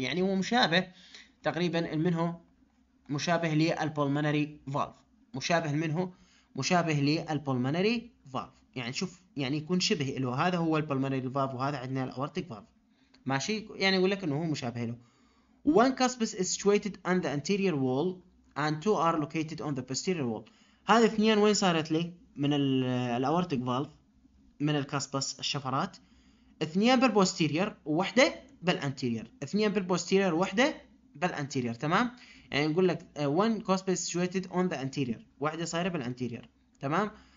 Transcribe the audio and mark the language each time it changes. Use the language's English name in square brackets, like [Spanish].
[Arabic] يعني هو مشابه تقريبا منه مشابه للبولمونري فالف. مشابه منه مشابه للبولمونري فالف. يعني شوف يعني يكون شبه له. هذا هو البولمونري فالف وهذا عندنا الاورتيك فالف ماشي. يعني يقول لك انه هو مشابه له. [English] One cuspis is situated on the anterior wall and two are located on the posterior wall. [Arabic] هذه اثنين وين صارت لي؟ من الاورتيك فالف من الكاسبس الشفرات. اثنين بالبوستيرير وحده بالانتيرير. اثنين بالبوستيرير وحده بالانتيرير تمام. يعني نقول لك [English] one cuspis situated on the anterior [Arabic] وحده صايره بالانتيرير تمام.